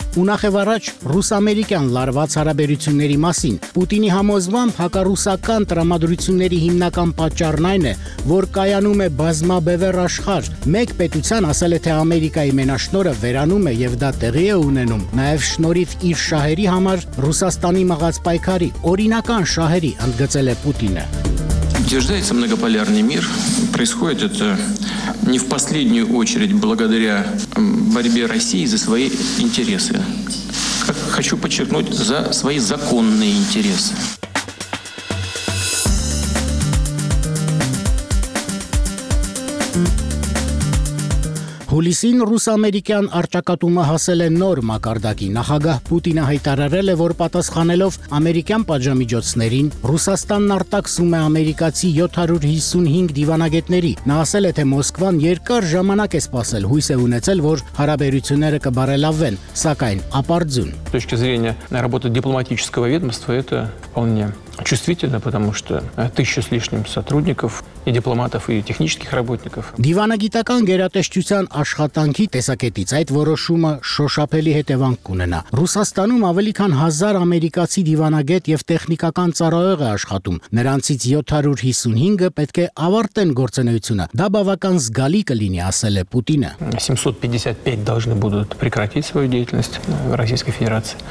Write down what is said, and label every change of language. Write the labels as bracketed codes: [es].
[hy] ու նախև առաջ ռուս-ամերիկյան լարված հարաբերությունների մասին։ Պուտինի համոզմամբ հակառուսական տրամադրությունների հիմնական պատճառն այն է, որ կայանում է բազմաբևեր աշխարհ։ Մեկ պետության ասել է, թե Ամերիկայի մենաշնորը վերանում է եւ դա տեղի է ունենում նաեւ շնորհիվ իր շահերի համար Ռուսաստանի մղած պայքարի օրինական շահերի, ընդգծել է Պուտինը։ [ru] Утверждается многополярный мир. Происходит это не в последнюю очередь благодаря борьбе России за свои интересы. Как хочу подчеркнуть, за свои законные интересы. [hy] Հուլիսին ռուս-ամերիկյան արճակատումը հասել է նոր մակարդակի։ Նախագահ Պուտինը հայտարարել է, որ պատասխանելով ամերիկյան պատժամիջոցներին, Ռուսաստանն արտաքսում է ամերիկացի 755 դիվանագետների։ Նա ասել է, թե Մոսկվան երկար ժամանակ է սպասել, հույս է ունեցել, որ հարաբերությունները կբարելավվեն, սակայն ապարդյուն։ [ru] С точки зрения работы дипломатического ведомства это вполне чувствительно, потому что 1000 с лишним сотрудников и дипломатов и технических работников. [hy] Դիվանագիտական գերատեսչության աշխատանքի տեսակետից այդ որոշումը շոշափելի հետևանք կունենա։ Ռուսաստանում ավելի քան 1000 ամերիկացի դիվանագետ եւ տեխնիկական ծառայող է աշխատում, նրանցից 755-ը պետք է ավարտեն գործունեությունը։ Դա բավական զգալի կլինի, ասել է Պուտինը։ [ru] 755 должны будут прекратить свою деятельность в Российской Федерации.